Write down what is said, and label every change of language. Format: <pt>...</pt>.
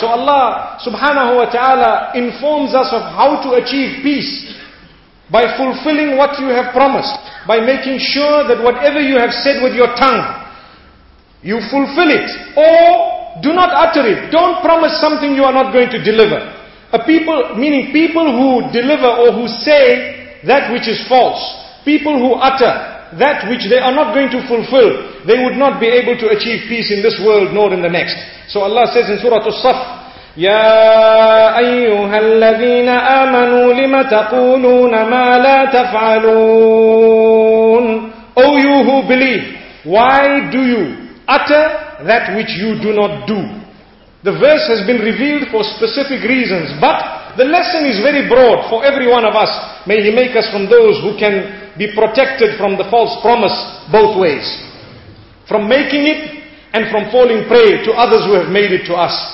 <en>So Allah subhanahu wa ta'ala informs us of how to achieve peace by fulfilling what you have promised, by making sure that whatever you have said with your tongue, you fulfill it, or do not utter it. Don't promise something you are not going to deliver. A people, meaning people who deliver or who say that which is false, people who utter that which they are not going to fulfill, they would not be able to achieve peace in this world nor in the next. So Allah says in Surah As-Saff,</en> <ar>يَا أَيُّهَا الَّذِينَ آمَنُوا لِمَ تَقُولُونَ مَا لَا تَفْعَلُونَ.</ar> <en>O you who believe, why do you utter that which you do not do? The verse has been revealed for specific reasons, but the lesson is very broad for every one of us. May He make us from those who can be protected from the false promise both ways, from making it and from falling prey to others who have made it to us.</en>